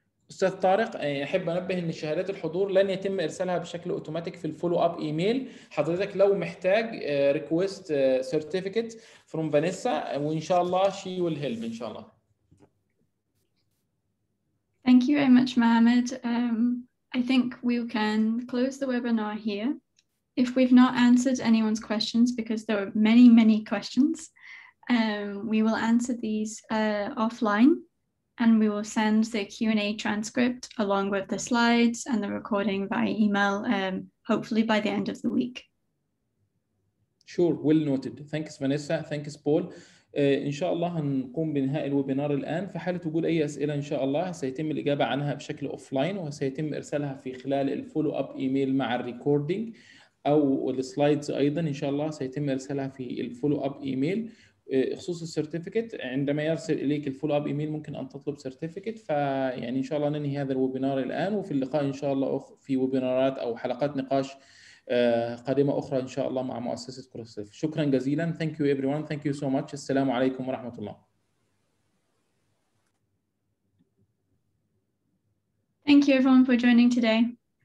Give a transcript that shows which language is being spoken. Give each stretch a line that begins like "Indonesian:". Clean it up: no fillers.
Arabic: أستاذ طارق، أحب أنبه أن شهادات الحضور لن يتم إرسالها بشكل أوتوماتيك في الفولو أب إيميل. حضرتك لو محتاج
English: request certificate from Vanessa
Arabic: وإن شاء الله
English: she will help
Arabic: إن شاء الله.
English: Thank you very much, Mohammed. I think we can close the webinar here. If we've not answered anyone's questions, because there were many, many questions, we will answer these offline. And we will send the Q&A transcript along with the slides and the recording by email, hopefully by the end of the week. Sure, well noted. Thanks, Vanessa. Thanks, Paul.
Arabic: إن شاء الله هنقوم بنهاء الويبينار الآن. في حالة وجود أي أسئلة إن شاء الله سيتم الإجابة عنها بشكل أوفلاين، وسيتم إرسالها في خلال الفولو أب إيميل مع الريكوردينج أو السلايدز أيضا إن شاء الله سيتم إرسالها في الفولو أب إيميل. خصوص السيرتيفيكت، عندما يرسل إليك الفول أب إيميل ممكن أن تطلب سيرتيفيكت. فيعني إن شاء الله ننهي هذا الويبينار الآن، وفي اللقاء إن شاء الله في ويبينارات أو حلقات نقاش قادمة أخرى إن شاء الله مع مؤسسة كروسريف. شكرا جزيلا.
English: Thank you everyone. Thank you so much.
Arabic: السلام عليكم ورحمة الله.
English: Thank you everyone for joining today.